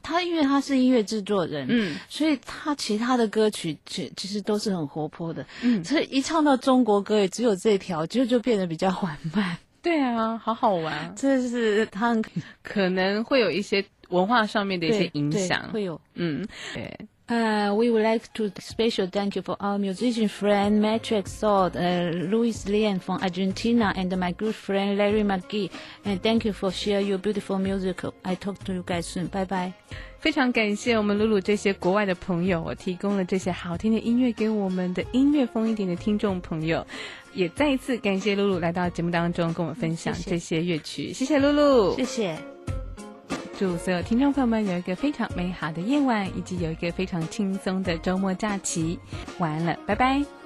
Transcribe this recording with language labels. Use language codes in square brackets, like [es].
[zh] 他因为他是音乐制作人，嗯，所以他其他的歌曲其实都是很活泼的，嗯，所以一唱到中国歌也只有这条，就变得比较缓慢。对啊，好好玩，这是他可能会有一些文化上面的一些影响，会有，嗯，对。 [en] We would like to special thank you for our musician friend MatrixSoul, Luis Lian from Argentina, and my good friend Larry McGee. And thank you for sharing your beautiful music. I talk to you guys soon. Bye bye. [zh] 非常感谢我们Lulu这些国外的朋友，提供了这些好听的音乐给我们的音乐风一点的听众朋友。也再一次感谢Lulu来到节目当中跟我们分享这些乐曲。谢谢Lulu。谢谢。祝所有听众朋友们有一个非常美好的夜晚，以及有一个非常轻松的周末假期。晚安了，拜拜。